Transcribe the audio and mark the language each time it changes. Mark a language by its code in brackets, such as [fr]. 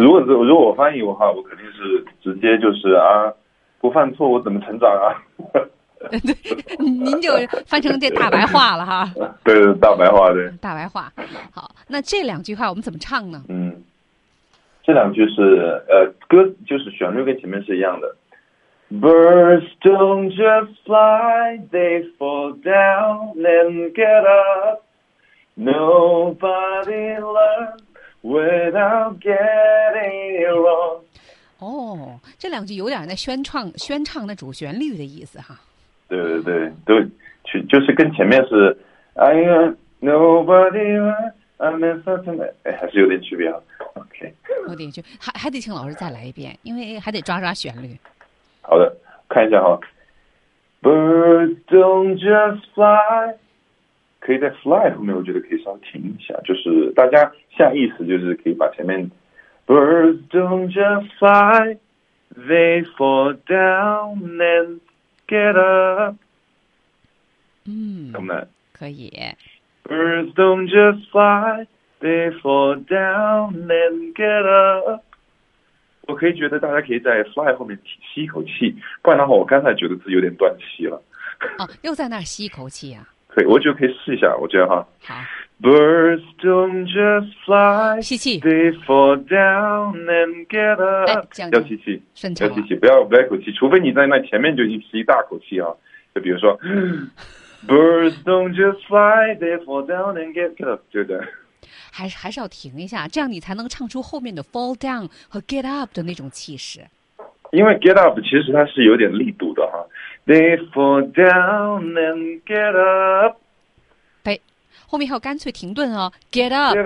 [zh] 如果我翻译的话，我肯定是直接就是啊。不犯错我怎么成长啊？对，您就翻成这大白话了哈。对，大白话，对，大白话。好，那这两句话我们怎么唱呢？嗯，这两句是歌，就是旋律跟前面是一样的。 [en] Birds don't just fly, they fall down and get up. Nobody learns without getting it wrong. [zh] 哦，这两句有点那宣唱的主旋律的意思哈。对对对，都就是跟前面是 [en] I nobody I'm a certain， [zh] 哎，还是有点区别啊。 OK，有点区别，还得请老师再来一遍，因为还得抓旋律。好的，看一下哈。 [en] Birds don't just fly， [zh] 可以在 fly 后面，我觉得可以稍微停一下，就是大家下意识就是可以把前面。 [en] Birds don't just fly, they fall down and get up. [zh] 嗯，懂吗？可以。 [en] Birds don't just fly, they fall down and get up. [zh] 我可以觉得大家可以在 fly 后面吸一口气，不然的话我刚才觉得自己有点断气了。啊，又在那吸一口气啊？可以，我觉得可以试一下，我觉得哈。好。 [en] Birds don't just fly， [zh] 吸气 [en] ，they fall down and get up。 [zh] 要吸气，要吸气，不要一口气，除非你在那前面就一吸一大口气啊。就比如说， [en] Birds don't just fly， they fall down and get up， [zh] 对不对？还是要停一下，这样你才能唱出后面的 fall down 和 get up 的那种气势。因为 get up 其实它是有点力度的哈。 [en] They fall down and get up。 [zh] 后面还有干脆停顿哦 ，get up，get